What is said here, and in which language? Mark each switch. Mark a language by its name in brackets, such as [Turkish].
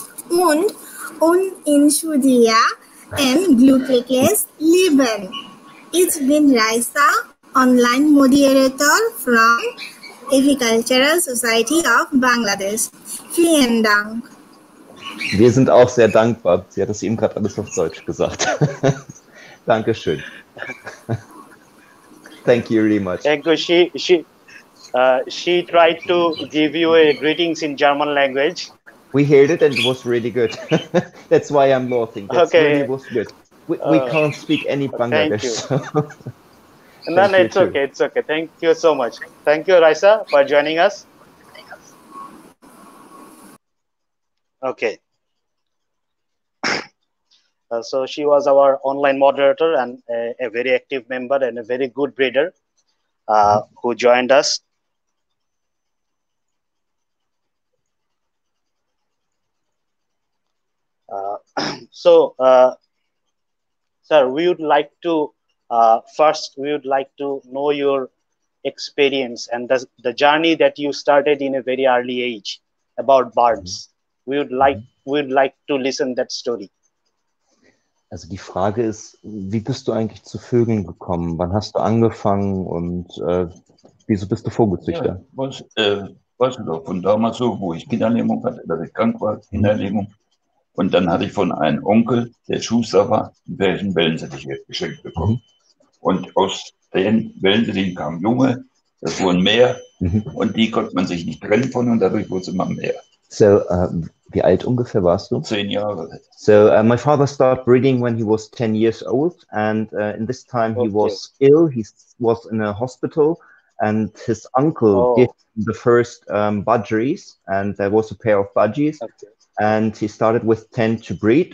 [English] Un Inshudia and Glupekes Liban. It's been Raisa, online moderator from Avicultural Society of Bangladesh. [German] Vielen Dank. Wir sind auch sehr dankbar. Sie hat es eben gerade alles auf Deutsch gesagt. Dankeschön. [English] Thank you very much. Thank you. She tried to give you a greetings in German language. We heard it and it was really good. That's why I'm laughing. That's okay. Really was good. We can't speak any Bangladesh. Thank you. No, it's too. Okay. It's okay. Thank you so much. Thank you, Raisa, for joining us. Okay. So she was our online moderator and a very active member and a very good breeder who joined us. So sir, we would like to first we would like to know your experience and the journey that you started in a very early age about birds. Mm-hmm. We would like to listen that story. [German] Also die Frage ist, wie bist du eigentlich zu Vögeln gekommen? Wann hast du angefangen und wieso bist du Vogelzüchter? Ja, weißt du doch, von damals so, wo ich Kinderlähmung hatte, dass ich krank war, Kinderlähmung. Und dann hatte ich von einem Onkel, der Schuster war, einen welchen Wellensittich geschenkt bekommen. Mhm. Und aus den Wellensittichen kam Junge, das wurden mehr. Mhm. Und die konnte man sich nicht trennen von und dadurch wurde es immer mehr. So, wie alt ungefähr warst du? 10 Jahre. [English] So, my father started breeding when he was 10 years old. And in this time he was ill, he was in a hospital. And his uncle gave him the first budgeries. And there was a pair of budgies. Okay. And he started with 10 to breed.